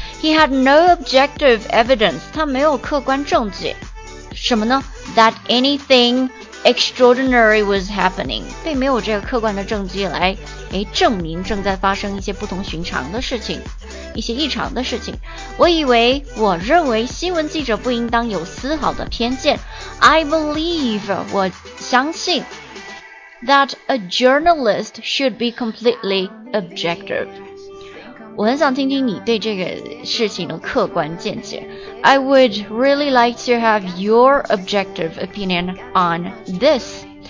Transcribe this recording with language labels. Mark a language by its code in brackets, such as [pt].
[en] He had no objective evidence. [zh] 他没有客观证据。什么呢？ [en] That anything extraordinary was happening. [zh] 并没有这个客观的证据来证明正在发生一些不同寻常的事情，一些异常的事情。我认为新闻记者不应当有丝毫的偏见。 [en] I believe [zh] 我相信 [en] that a journalist should be completely objective。 [zh] 我很想听听你对这个事情的客观见解。 [en] I would really like to have your objective opinion on this。